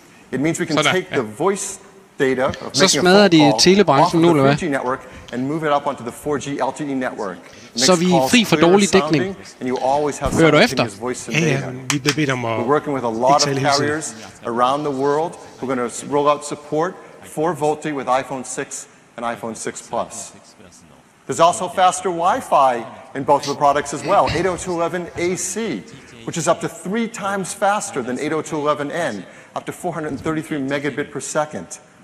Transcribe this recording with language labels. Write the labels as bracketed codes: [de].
[en] It means we can take the voice data of making a phone call off the 4G network and move it up onto the 4G LTE network. [da] Så vi er fri for dårlig dækning. Hører du efter? Ja, vi bliver bedt om at ikke tale hele tiden. [en] Around the world, we're going to roll out support for Volte with iPhone 6 and iPhone 6 Plus. There's also faster Wi-Fi in both of the products as well, 802.11ac, which is up to 3 times faster than 802.11n, up to 433 megabit per second.